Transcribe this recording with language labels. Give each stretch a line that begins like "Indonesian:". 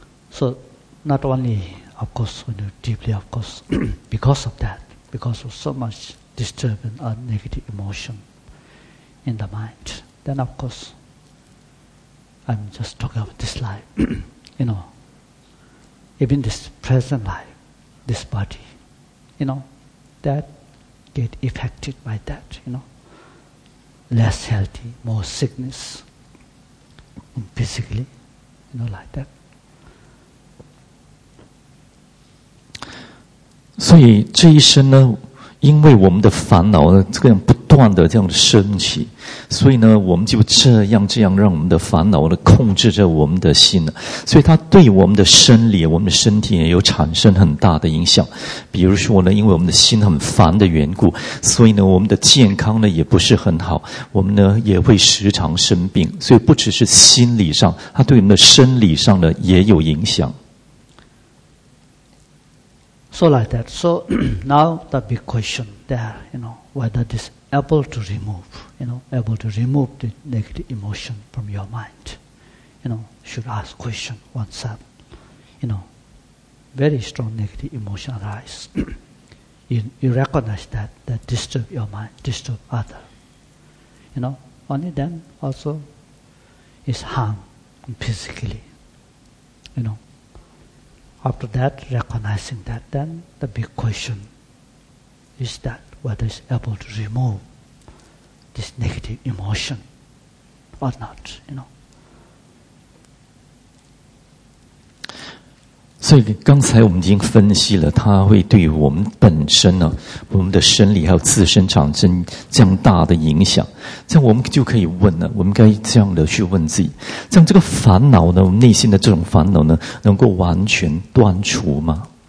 English: So not only, of course, you know, deeply, of course, because of that, because of so much disturbance or negative emotion in the mind, then of course, I'm just talking about this life, you know, even this present life, this body, you know, that get affected by that, you know, less healthy, more sickness, physically, you know, like that.
Chinese: 所以这一生呢，因为我们的烦恼呢，这样不断。断的这样升起，所以呢，我们就这样让我们的烦恼呢控制着我们的心了。所以它对我们的生理、我们的身体也有产生很大的影响。比如说呢，因为我们的心很烦的缘故，所以呢，我们的健康呢也不是很好，我们呢也会时常生病。所以不只是心理上，它对我们的生理上呢也有影响。
English: So like that. So now the big question there, you know, whether this able to remove, you know, able to remove the negative emotion from your mind, you know, should ask question oneself. You know, very strong negative emotion arise. you recognize that disturb your mind, disturb other. You know, only then also is harm physically, you know. After that, recognizing that, then the big question is that whether it's able to remove this negative emotion or not, you know.
Chinese: 所以刚才我们已经分析了，它会对我们本身呢、我们的生理还有自身产生这样大的影响。这样我们就可以问了，我们该这样的去问自己，这样这个烦恼呢，我们内心的这种烦恼呢，能够完全断除吗？